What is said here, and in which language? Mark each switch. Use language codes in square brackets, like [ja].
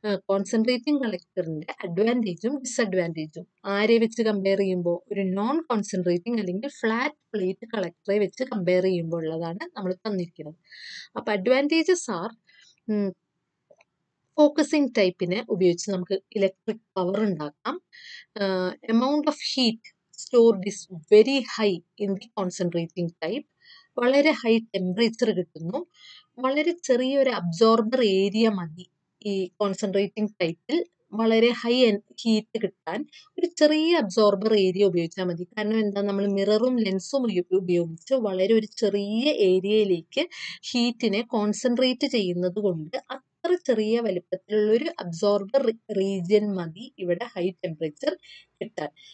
[ml] Concentrating കളക്ടറിൻ്റെ അഡ്വാൻറ്റേജും ഡിസ്അഡ്വാൻറ്റേജും ആരെ വെച്ച് compare ചെയ്യുമ്പോൾ, ഒരു നോൺ കോൺസെൻട്രേറ്റിംഗ് അല്ലെങ്കിൽ ഫ്ലാറ്റ് പ്ലേറ്റ് കളക്ടറെ വെച്ച് കമ്പയർ ചെയ്യുമ്പോൾ ഉള്ളതാണ് നമ്മൾ തന്നിരിക്കുന്നത്. അപ്പോൾ [en] advantages are, [ml] ഫോക്കസിംഗ് ടൈപ്പിനെ ഉപയോഗിച്ച് നമുക്ക് ഇലക്ട്രിക് പവർ ഉണ്ടാക്കാം, [en] Amount of heat stored is very high in the concentrating type. [ml] വളരെ ഹൈ ടെമ്പറേച്ചർ കിട്ടുന്നു. വളരെ ചെറിയൊരു അബ്സോർബർ ഏരിയ മതി ഈ കോൺസെൻട്രേറ്റിംഗ് ടൈപ്പിൽ വളരെ ഹൈ ഹീറ്റ് കിട്ടാൻ. ഒരു ചെറിയ അബ്സോർബർ ഏരിയ ഉപയോഗിച്ചാൽ മതി. കാരണം എന്താ, നമ്മൾ മിററും ലെൻസും ഉപയോഗിച്ച് വളരെ ഒരു ചെറിയ ഏരിയയിലേക്ക് ഹീറ്റിനെ കോൺസെൻട്രേറ്റ് ചെയ്യുന്നത് കൊണ്ട് അത്ര ചെറിയ വലിപ്പത്തിലുള്ളൊരു അബ്സോർബർ റീജിയൻ മതി ഇവിടെ ഹൈ ടെമ്പറേച്ചർ കിട്ടാൻ.